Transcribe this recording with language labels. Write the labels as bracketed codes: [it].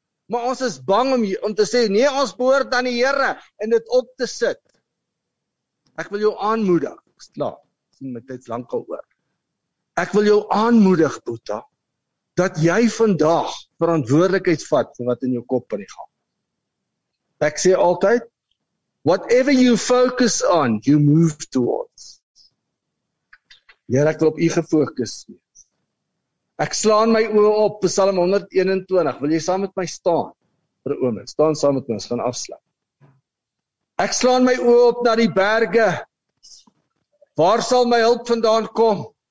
[af] Maar ons is bang om te sê, nee, ons behoort aan die Here en dit op te sit. Ek wil jou aanmoedig, ek wil jou aanmoedig, Boeta, dat jy vandag verantwoordelikheid vat vir wat in jou kop in die gang. Ek sê altyd, [en] whatever you focus on, you move towards. [af] Heer, ek wil op u gefokus wees. Ek slaan my oë op, Psalm 121, wil jy saam met my staan, vir 'n oomblik, staan saam met my, ons gaan afsluit. Ek slaan my oë op na die berge, waar sal my hulp vandaan kom?